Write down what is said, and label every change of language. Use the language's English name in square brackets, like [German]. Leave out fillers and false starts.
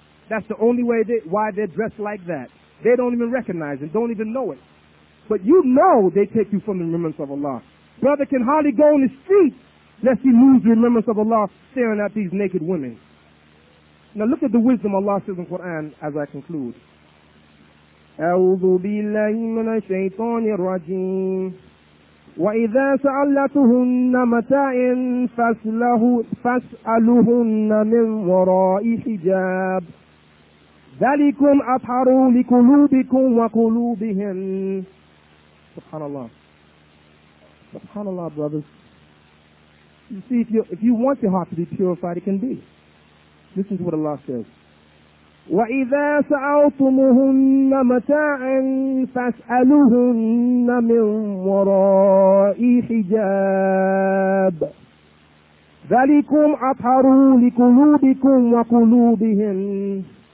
[English] That's the only way they, why they're dressed like that. They don't even recognize it, don't even know it. But you know they take you from the remembrance of Allah. Brother can hardly go on the street lest he lose the remembrance of Allah staring at these naked women. Now look at the wisdom Allah says in the Quran as I conclude. [Arabic] أعوذ بالله من الشيطان الرجيم وإذا سألتهن متاعا فاسألهن من وراء حجاب ذلكم أطهر لقلوبكم وقلوبهن. سبحان الله. سبحان الله [English] brothers. You see, if you want your heart to be purified, it can be. This is what Allah says. [Arabic] وَإِذَا سَأَلْتُمُهُنَّ مَتَاعًا فَاسْأَلُوهُنَّ مِنْ وَرَاءِ حِجَابٍ ذَلِكُمْ أَطْهَرُ لِقُلُوبِكُمْ وَقُلُوبِهِنَّ.